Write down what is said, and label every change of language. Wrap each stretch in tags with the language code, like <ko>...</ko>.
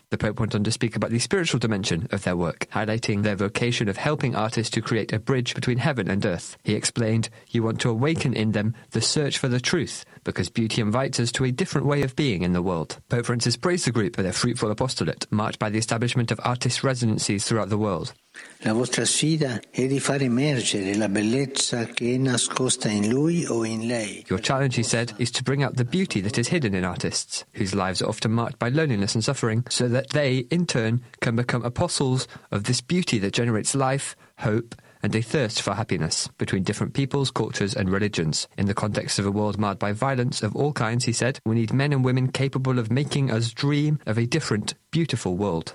<en>The Pope went on to speak about the spiritual dimension of their work, highlighting their vocation of helping artists to create a bridge between heaven and earth. He explained, "You want to awaken in them the search for the truth, because beauty invites us to a different way of being in the world." Pope Francis praised the group for their fruitful apostolate, marked by the establishment of artist residencies throughout the world.</en> <it>La vostra sfida è di far emergere la bellezza che è nascosta in lui o in lei.</it> <en>Your challenge, he said, is to bring out the beauty that is hidden in artists, whose lives are often marked by loneliness and suffering, so that they, in turn, can become apostles of this beauty that generates life, hope, and a thirst for happiness between different peoples, cultures, and religions. In the context of a world marred by violence of all kinds, he said, we need men and women capable of making us dream of a different, beautiful world.</en>